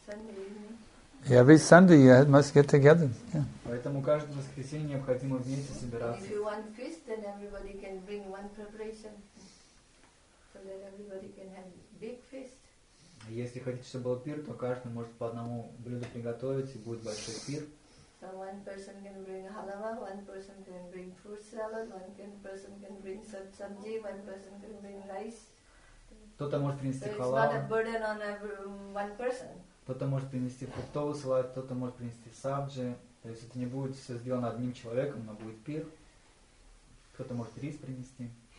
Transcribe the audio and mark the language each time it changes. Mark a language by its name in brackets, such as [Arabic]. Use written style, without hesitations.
[English] Sunday evening. Every Sunday you must get together. Yeah. [Russian] Поэтому каждое воскресенье необходимо вместе собираться. [English] If you want feast, then everybody can bring one preparation. So that everybody can have big feast. [Russian] Если хотите, чтобы был пир, то каждый может по одному блюду приготовить, и будет большой пир. [English] So one person can bring halava, one person can bring fruit salad, one person can bring sabji, one person can bring rice. [Russian] Кто-то может принести халаву. [English] So it's not a burden on one person. [Russian] Кто-то может принести фруктовый салат, кто-то может принести сабджи. То есть это не будет все сделано одним человеком, но будет пир. Кто-то может рис принести.